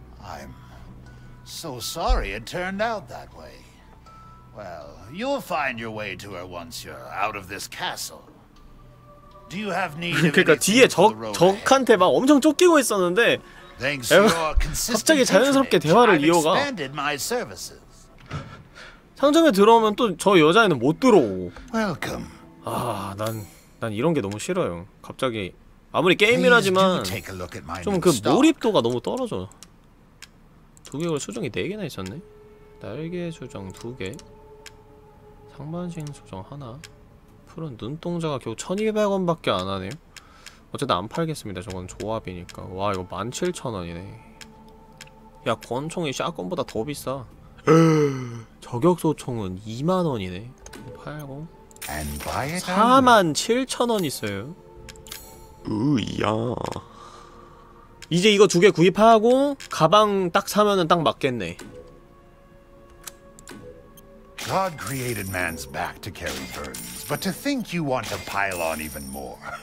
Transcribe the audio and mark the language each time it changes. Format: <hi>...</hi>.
<en>I'm so sorry it turned out that way. Well, you'll find your way to her once you're out of this castle. Do you have need of anything?</en> <ko>그러니까 뒤에 적한테 막 엄청 쫓기고 있었는데 갑자기 자연스럽게 대화를 이어가.</ko> <en>Expanded my services.</en> <ko>상점에 들어오면 또 저 여자애는 못 들어오고.</ko> <en>Welcome.</en> <ko>아, 난 이런 게 너무 싫어요. 갑자기 아무리 게임이라지만 좀 그 몰입도가 너무 떨어져. 두 개월 수정이 네 개나 있었네. 날개 수정 두 개. 상반신 수정 하나. 푸른 눈동자가 겨우 1200원밖에 안 하네요. 어쨌든 안 팔겠습니다. 저건 조합이니까. 와, 이거 17,000원이네. 야, 권총이 샷건보다 더 비싸. 저격소 총은 2만 원이네. 팔고 4만 7천 원 있어요. 으야. 이제 이거 두 개 구입하고 가방 딱 사면은 딱 맞겠네.</ko> <en>God created man's back to carry burdens, but to think you want to pile on even more.</en>